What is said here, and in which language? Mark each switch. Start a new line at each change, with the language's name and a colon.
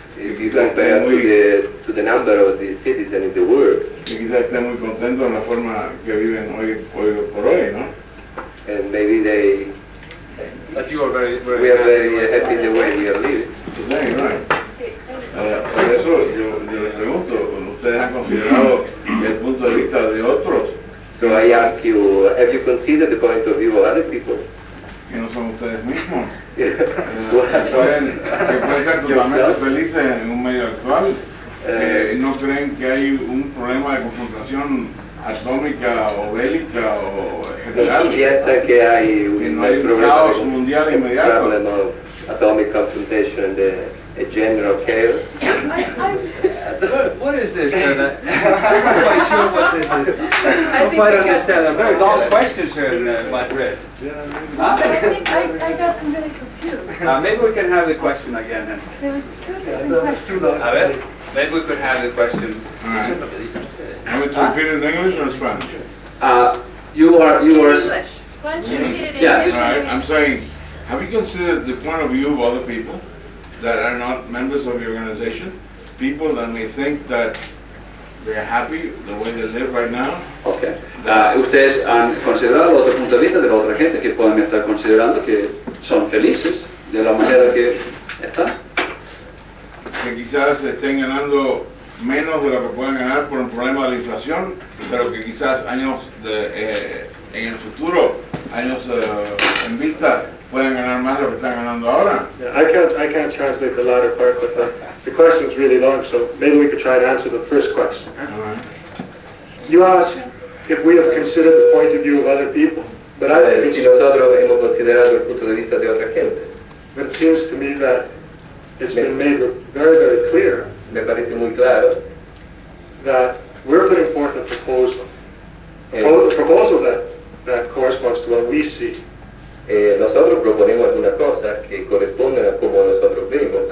English: If you compare to the number of the citizens in the world.
Spanish: Y quizás estén muy contentos en la forma que viven hoy por hoy, ¿no?
English: And maybe they. But you are very. We are very happy in the way we are living. Today, right?
Spanish: Por eso yo les pregunto, ¿ustedes han considerado el punto de vista de otros?
English: So I ask you, have you considered the point of view of other people?
Spanish: ¿Que no son ustedes mismos? ¿Saben que pueden ser totalmente felices en un medio actual? ¿No creen que hay un problema de confrontación atómica o bélica o general? ¿Piensan que hay un caos mundial inmediato? Problem of atomic confrontation and a general chaos.
English: What is this? I'm not quite sure what this is. I don't quite understand. I'm very long questions here in Madrid. Huh? I got them really confused. Maybe we can have the question again then. Maybe we could have the question. Can we repeat it in English or Spanish? You are English. Why don't you repeat it in English? All right. I'm saying, have you considered the point of view of other people that are not members of your organization, people that may think that they're happy the way they live right now? Okay.
Spanish: Ustedes han considerado otro punto de vista de la otra gente que pueden estar considerando que son felices de la manera que están. Que quizás estén ganando menos de lo que pueden ganar por un problema de la inflación, pero que quizás años en el futuro, años en vista, pueden ganar más de lo que están ganando ahora.
English: Yeah, I can't translate the latter part, but the question is really long, so maybe we could try to answer the first question. Right. You ask if we have considered the point of view of other people, but I think
Spanish: si nosotros hemos considerado el punto de vista de otra gente.
English: But it seems to me that it's been made very, very clear.
Spanish: Me parece muy claro
English: that we're putting forth a proposal, proposal that corresponds to what we see.
Spanish: Nosotros proponemos algunas cosas que corresponden a como nosotros vemos.